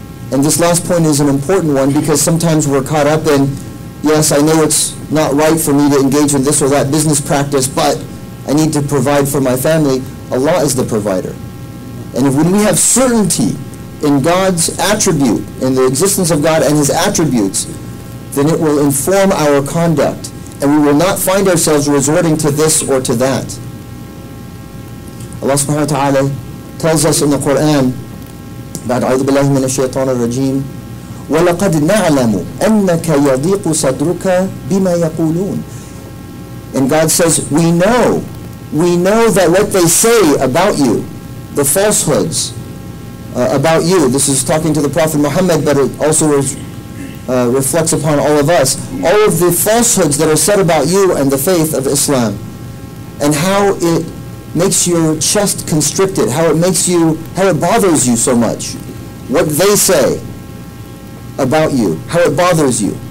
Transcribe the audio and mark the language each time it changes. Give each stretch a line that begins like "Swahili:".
English: And this last point is an important one because sometimes we're caught up in, yes, I know it's not right for me to engage in this or that business practice, but I need to provide for my family. Allah is the provider. And if when we have certainty in God's attribute, in the existence of God and His attributes, then it will inform our conduct and we will not find ourselves resorting to this or to that. Allah subhanahu wa ta'ala tells us in the Quran,
Arabic: بعد أعوذ بالله من الشيطان الرجيم ولقد نعلم أنك يضيق صدرك بما يقولون.
English: And God says, we know that what they say about you, the falsehoods about you, this is talking to the Prophet Muhammad, but it also reflects upon all of us, all of the falsehoods that are said about you and the faith of Islam, and how it makes your chest constricted, how it bothers you so much, what they say about you, how it bothers you.